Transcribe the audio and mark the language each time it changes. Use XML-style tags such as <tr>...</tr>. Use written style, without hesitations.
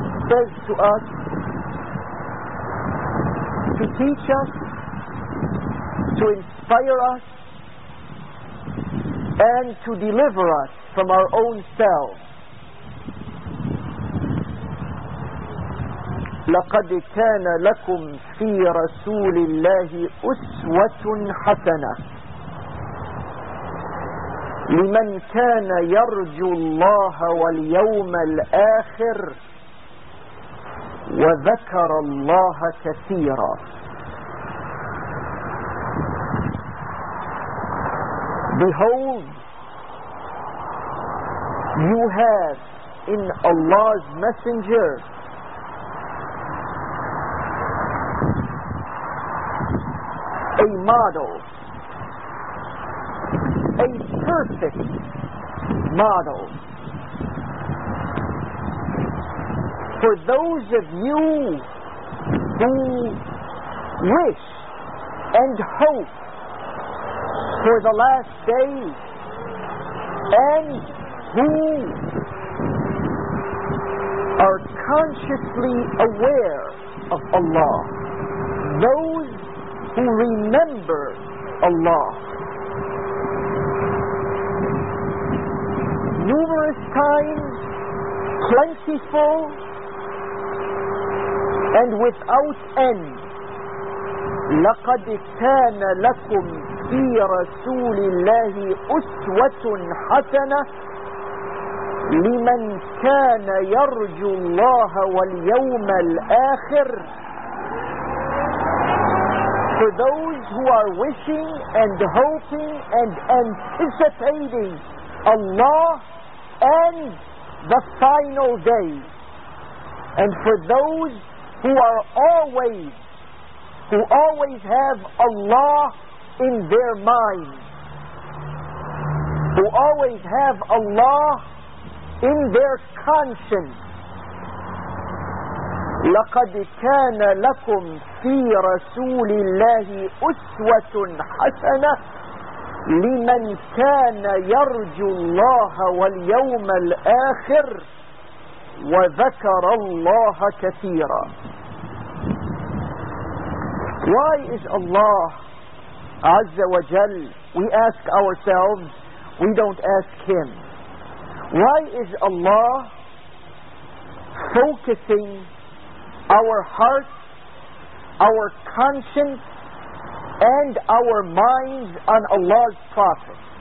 <en>says to us to teach us, to inspire us, and to deliver us from our own selves.</en> <ar>لقد كان لكم في رسول الله أسوة حسنة لمن كان يرجو الله واليوم الآخر وذكر الله كثيرا.</ar> <en>Behold, you have in Allah's Messenger a model, a perfect model for those of you who wish and hope for the last day and who are consciously aware of Allah, those who remember Allah. Numerous times, plentiful, and without end.</en> <ar>لقد كان لكم في رسول الله أسوة حسنة لمن كان يرجو الله واليوم الآخر.</ar> <en>For those who are wishing and hoping and anticipating Allah and the final day, and for those who are always, who always have Allah in their mind, who always have Allah in their conscience.</en> <ar>لقد كان لكم في رسول الله أسوة حسنة لمن كان يرجو الله واليوم الآخر وذكر الله كثيرا.</ar> <en>Why is Allah Azza wa Jal, we ask ourselves, we don't ask Him. Why is Allah focusing our hearts, our conscience, and our minds on Allah's Prophet?</en>